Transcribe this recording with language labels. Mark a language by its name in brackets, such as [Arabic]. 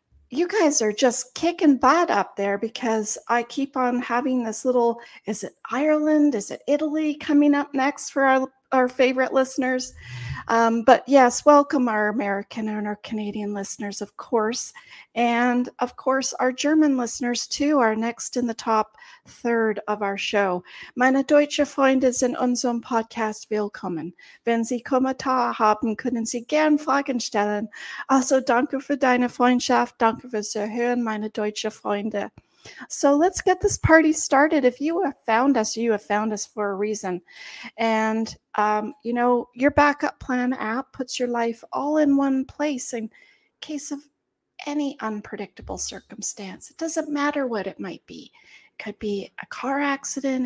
[English] You guys are just kicking butt up there because I keep on having this little, is it Ireland? Is it Italy coming up next for our favorite listeners? But yes, welcome our American and our Canadian listeners, of course. And of course, our German listeners too are next in the top third of our show. [German] Meine deutsche Freunde sind unserem Podcast willkommen. Wenn Sie Kommentare haben, können Sie gern Fragen stellen. Also danke für deine Freundschaft. Danke fürs Zuhören, meine deutsche Freunde. [English] So let's get this party started. If you have found us, you have found us for a reason. And, you know, your backup plan app puts your life all in one place in case of any unpredictable circumstance. It doesn't matter what it might be. It could be a car accident.